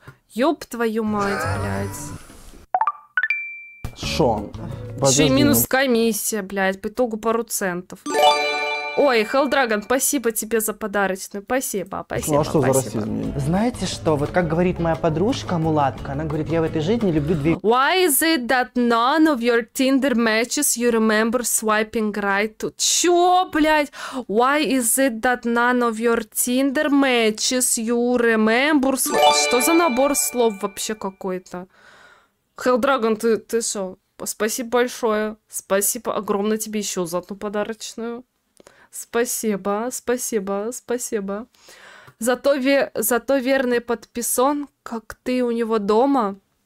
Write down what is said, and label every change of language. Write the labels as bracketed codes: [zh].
[ru] Ёб твою мать, блядь. Шо? Ещё и минус комиссия, блядь, по итогу пару центов. Ой, Хелдрагон, спасибо тебе за подарочную, спасибо, спасибо. Ну а что спасибо за расизм? Знаете что, вот как говорит моя подружка Мулатка, она говорит, я в этой жизни люблю две... [en] Why is it that none of your Tinder matches you remember swiping right to... [ru] Чё, блядь? [en] Why is it that none of your Tinder matches you remember... [ru] Что за набор слов вообще какой-то? Хелдрагон, ты что? Спасибо большое. Спасибо огромное тебе еще за одну подарочную. Спасибо, спасибо, спасибо. Зато верный подписон, как ты у него дома.